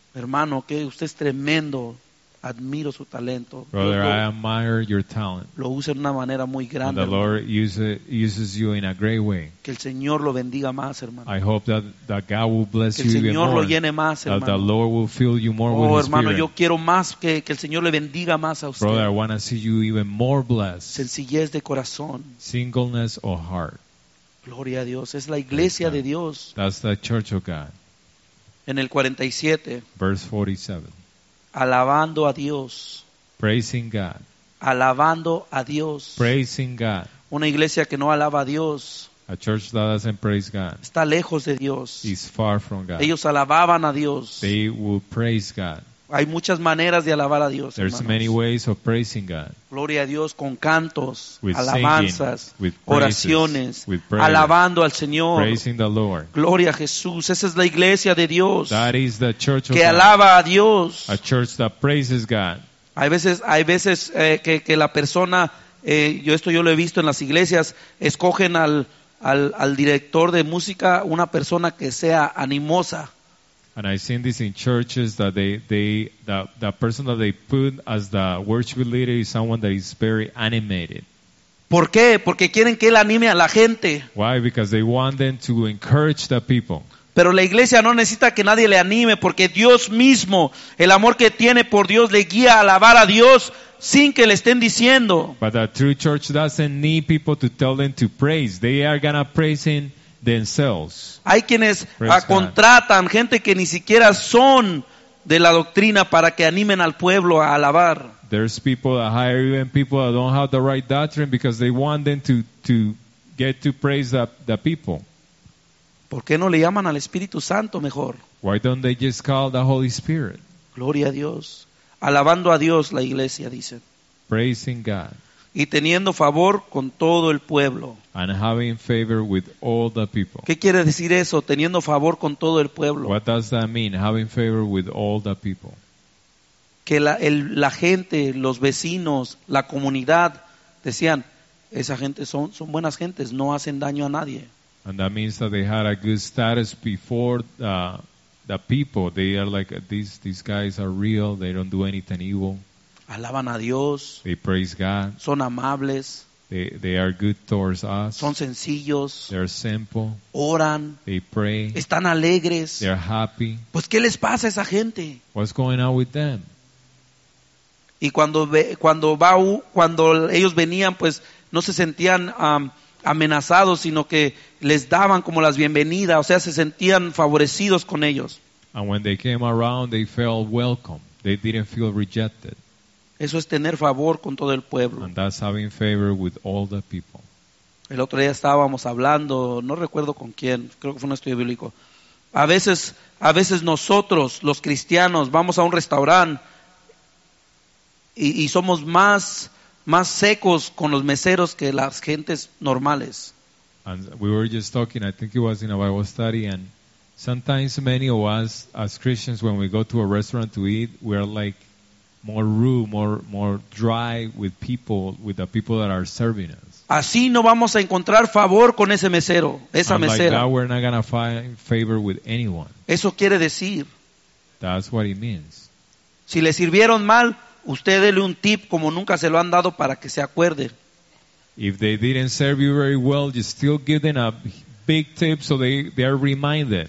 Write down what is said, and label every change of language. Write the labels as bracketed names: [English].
[Spanish] Hermano, que usted es tremendo. Admiro su talento. [English] Brother, I admire your talent. [Spanish] Lo usa de una manera muy grande. [English] And the Lord uses you in a great way. [Spanish] Que el Señor lo bendiga más, hermano. [English] I hope that God will bless you even more. [Spanish] Que el Señor lo llene más, hermano. [English] That the Lord will fill you more with His Spirit. Oh, hermano, Spirit. [Spanish] Yo quiero más que el Señor le bendiga más a usted. [English] Brother, I want to see you even more blessed. [Spanish] Sencillez de corazón. [English] Singleness of heart. [Spanish] Gloria a Dios. Es la iglesia de Dios. [English] That's the church of God. [Spanish] En el 47, [English] verse 47, [Spanish] alabando a Dios, [English] praising God, [Spanish] alabando a Dios, [English] praising God. [Spanish] Una iglesia que no alaba a Dios, [English] a church that doesn't praise God, [Spanish] está lejos de Dios, [English] is far from God. [Spanish] Ellos alababan a Dios, [English] they will praise God. [Spanish] Hay muchas maneras de alabar a Dios, [English] there's [Spanish] hermanos. [English] Many ways of praising God. [Spanish] Gloria a Dios con cantos, [English] with [Spanish] alabanzas, [English] singing, with praises, [Spanish] oraciones, [English] with prayer, [Spanish] alabando al Señor. [English] Praising the Lord. [Spanish] Gloria a Jesús. Esa es la iglesia de Dios. [English] That is the church of [Spanish] que [English] God. [Spanish] Alaba a Dios. [English] A church that praises God. [Spanish] Hay veces que la persona, yo lo he visto en las iglesias, escogen al director de música una persona que sea animosa. [English] And I've seen this in churches that the person that they put as the worship leader is someone that is very animated. [Spanish] ¿Por qué? Porque quieren que él anime a la gente. [English] Why? Because they want them to encourage the people. [Spanish] Pero la iglesia no necesita que nadie le anime porque Dios mismo, el amor que tiene por Dios le guía a alabar a Dios sin que le estén diciendo. [English] But the true church doesn't need people to tell them to praise. They are gonna praise him. Themselves. [Spanish] Hay quienes contratan gente que ni siquiera son de la doctrina para que animen al pueblo a alabar. [English] There's people that hire even people that don't have the right doctrine because they want them to get to praise the people. [Spanish] ¿Por qué no le llaman al Espíritu Santo mejor? [English] Why don't they just call the Holy Spirit? [Spanish] Gloria a Dios, alabando a Dios la iglesia dice. [English] Praising God. [Spanish] Y teniendo favor con todo el pueblo. [English] And having favor with all the people. [Spanish] ¿Qué quiere decir eso? Teniendo favor con todo el pueblo. [English] What does that mean? Having favor with all the people. [Spanish] que la gente, los vecinos, la comunidad decían, esa gente son buenas gentes, no hacen daño a nadie. [English] And that means that they had a good status before the people. They are like, these guys are real, they don't do anything evil. [Spanish] Alaban a Dios. [English] They praise God. [Spanish] Son amables. [English] They are good towards us. [Spanish] Son sencillos. [English] They're simple. [Spanish] Oran. [English] They pray. [Spanish] Están alegres. [English] They're happy. [Spanish] Pues, ¿qué les pasa a esa gente? [English] What's going on with them? [Spanish] Y cuando ellos venían, pues no se sentían amenazados, sino que les daban como las bienvenidas, o sea, se sentían favorecidos con ellos. [English] And when they came around, they felt welcome. They didn't feel rejected. [Spanish] Eso es tener favor con todo el pueblo. [English] And that's having favor with all the people. [Spanish] El otro día estábamos hablando, no recuerdo con quién, creo que fue un estudio bíblico. A veces nosotros, los cristianos, vamos a un restaurante y somos más secos con los meseros que las gentes normales. [English] And we were just talking, I think it was in a Bible study, and sometimes many of us, as Christians, when we go to a restaurant to eat, we are like, more rude, more dry with the people that are serving us. [Spanish] Así no vamos a encontrar favor con ese mesero, esa mesera. [English] Like that, we're not gonna find favor with anyone. [Spanish] Eso quiere decir. [English] That's what it means. [Spanish] Si le sirvieron mal, usted dele un tip como nunca se lo han dado para que se acuerde. [English] If they didn't serve you very well, you still give them a big tip so they are reminded.